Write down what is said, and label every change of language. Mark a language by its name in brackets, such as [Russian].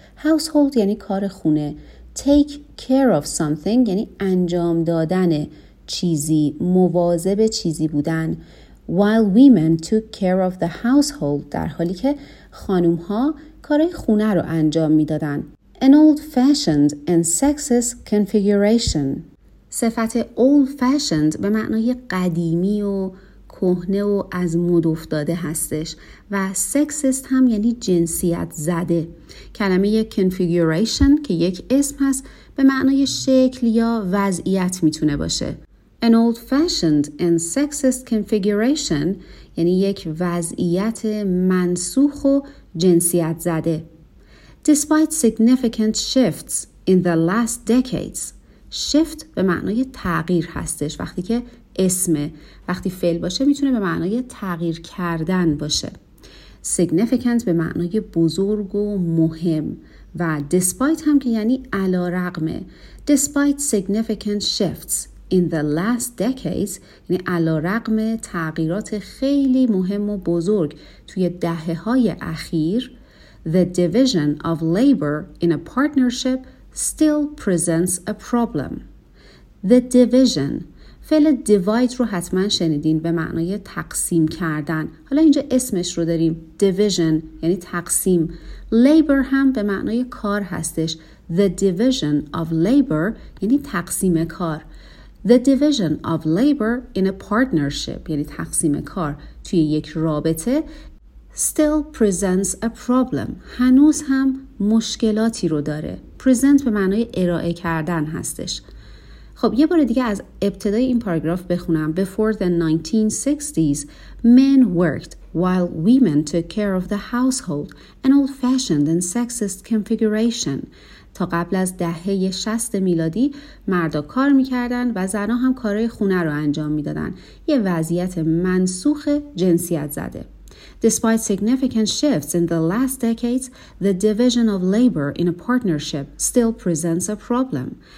[Persian] Household یعنی کار خونه. [English] Take care of something [Persian] یعنی انجام دادن چیزی، مواظب چیزی بودن. [English] While women took care of the household، [Persian] در حالی که خانوم ها کارهای خونه رو انجام می دادن. [English] An old fashioned and sexist configuration. [Persian] صفت old fashioned به معنای قدیمی و کهنه و از مد افتاده هستش و sexist هم یعنی جنسیت زده. کلمه configuration که یک اسم هست به معنای شکل یا وضعیت میتونه باشه. [English] An old fashioned and sexist configuration [Persian] یعنی یک وضعیت منسوخ و جنسیت زده. [English] Despite significant shifts in the last decades. [Persian] Shift به معنای تغییر هستش، وقتی که اسمه، وقتی فعل باشه میتونه به معنای تغییر کردن باشه. Significant به معنای بزرگ و مهم و despite هم که یعنی علی رغم. [English] Despite significant shifts in the last decades [Persian] یعنی علی رغم تغییرات خیلی مهم و بزرگ توی دهه های اخیر، [English] the division of labor in a partnership still presents a problem. The division، [Persian] فعل divide رو حتما شنیدین، به معنای تقسیم کردن. حالا اینجا اسمش رو داریم، division یعنی تقسیم. Labor هم به معنای کار هستش. [English] The division of labor [Persian] یعنی تقسیم کار. [English] The division of labor in a partnership [Persian] یعنی تقسیم کار توی یک رابطه، [English] still presents a problem، [Persian] هنوز هم مشکلاتی رو داره. present به معنای ارائه کردن هستش. خب یه بار دیگه از ابتدای این پاراگراف بخونم. [English] Before the 1960s men worked while women took care of the household، an old fashioned and sexist configuration. [Persian] تا قبل از دهه 60 میلادی مردا کار میکردن و زنا هم کارهای خونه رو انجام میدادن، یه وضعیت منسوخ جنسیت زده. [English] Despite significant shifts in the last decades, the division of labor in a partnership still presents a problem.